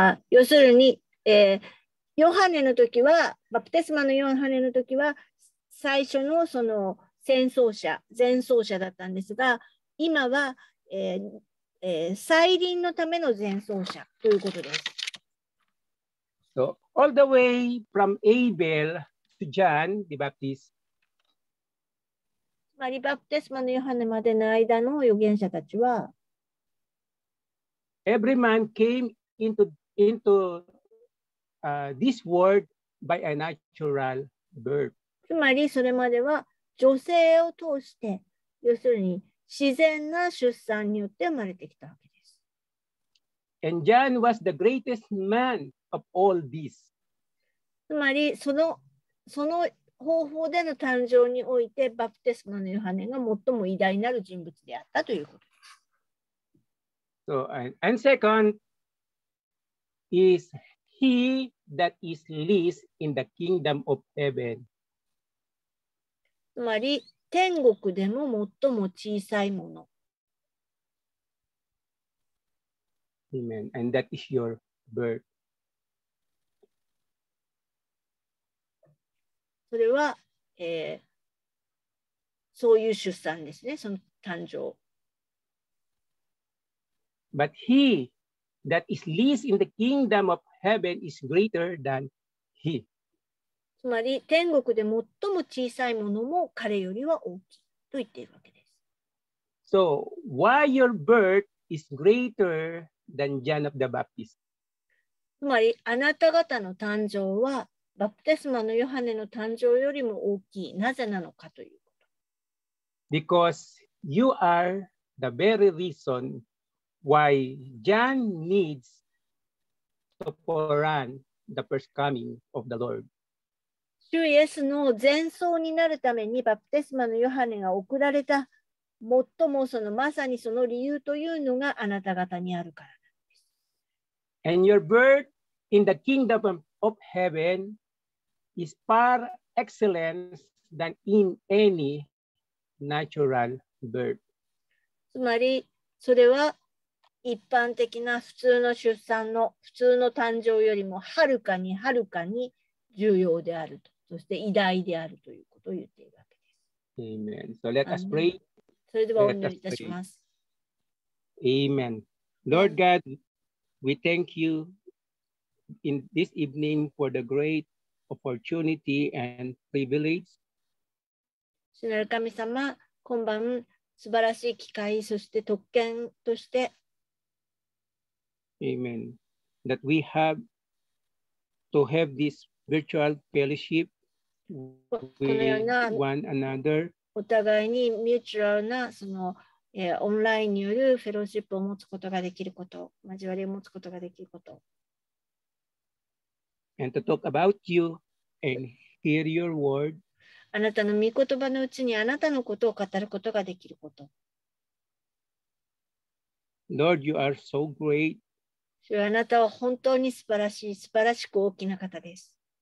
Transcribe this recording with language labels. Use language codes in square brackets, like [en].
[ja] 要するに、ヨハネの時は、バプテスマのヨハネの時は、最初のその先走者、前走者だったんですが、今は、再臨のための前走者ということです。 [en] So, all the way from Abel to John the Baptist. [ja] つまり、バプテスマのヨハネまでの間の預言者たちは、 [en] Every man came into this world by a natural birth. [ja] つまり、それまでは女性を通して、要するに、自然な出産によって生まれてきたわけです。 [en] And John was the greatest man of all this. [ja] つまりその方法での誕生においてバプテスマのヨハネが最も偉大なる人物であったということです。 [en] So, and second is he that is least in the kingdom of heaven. [ja] つまり天国でも最も小さいもの。 [en] Amen. And that is your birth. [ja] それは、そういう出産ですね、その誕生。 [en] But he that is least in the kingdom of heaven is greater than he. [ja] つまり天国で最も小さいものも彼よりは大きいと言っているわけです。 [en] So, why your birth is greater than John of the Baptist? [ja] つまりあなた方の誕生はバプテスマのヨハネの誕生よりも大きい。なぜなのかということ。 [en] Because you are the very reason why John needs to foran the first coming of the Lord. [ja] 主イエスの前奏になるためにバプテスマのヨハネが送られた最もそのまさにその理由というのがあなた方にあるからなんです。 [en] And your birth in the kingdom of heaven is far excellence than in any natural birth. [ja] つまりそれは一般的な普通の出産の普通の誕生よりもはるかにはるかに重要であると。そして偉大であるということを言っているわけです。 [en] Amen. So let us pray. [ja] それではお祈りいたします。 [en] Amen. Lord God, we thank you in this evening for the great opportunity and privilege. [ja] 主なる神様、今晩素晴らしい機会、そして特権として。 [en] Amen. That we have to have this virtual fellowship. [ja] お互いにミューチュラルなその、オンラインによるフェローシップを持つことができること、交わりを持つことができること。 [en] And to talk about you and hear your word. [ja] あなたの御言葉のうちにあなたのことを語ることができること。 [en] Lord, you are so great. [ja] あなたは本当に素晴らしい、素晴らしく大きな方です。